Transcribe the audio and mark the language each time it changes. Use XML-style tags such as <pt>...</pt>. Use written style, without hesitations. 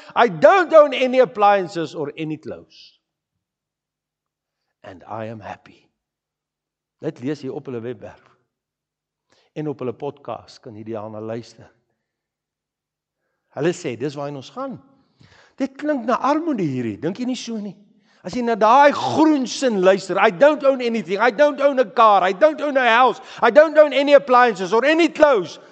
<en>I don't own any appliances or any clothes. And I am happy.</en> <af>Dit lees jy op hulle webwerf. En op hulle podcast kan jy daarna luister. Hulle sê, dis waarheen ons gaan. Dit klink na armoede hierdie, dink jy nie so nie? As jy na daai groen sin luister,</af> <en>I don't own anything, I don't own a car, I don't own a house, I don't own any appliances or any clothes.</en>